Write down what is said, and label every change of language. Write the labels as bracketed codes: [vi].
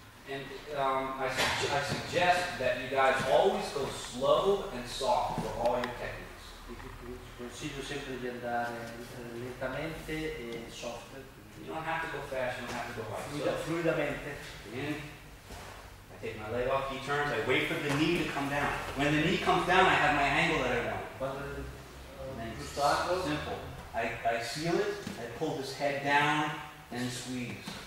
[en] And I suggest that you guys always go slow and soft for all your techniques. [it] Consiglio sempre di andare lentamente e soft. [en] You don't have to go fast, you don't have to go right. [it] Fluidamente. [en] In, I take my leg off, he turns, I wait for the knee to come down. When the knee comes down, I have my angle that I want. Then, simple. I seal it, I pull this head down, and squeeze.